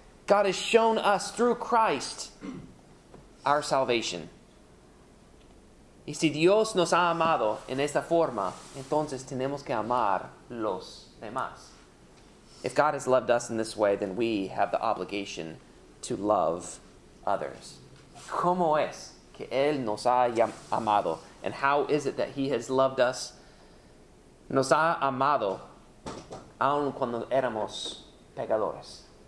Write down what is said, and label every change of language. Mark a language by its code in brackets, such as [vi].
[en] God has shown us through Christ our salvation. [es] Y si Dios nos ha amado en esta forma, entonces tenemos que amar los demás. [en] If God has loved us in this way, then we have the obligation to love others. [es] ¿Cómo es que Él nos ha amado? [en] And how is it that He has loved us? [es] Nos ha amado aun cuando éramos pecadores.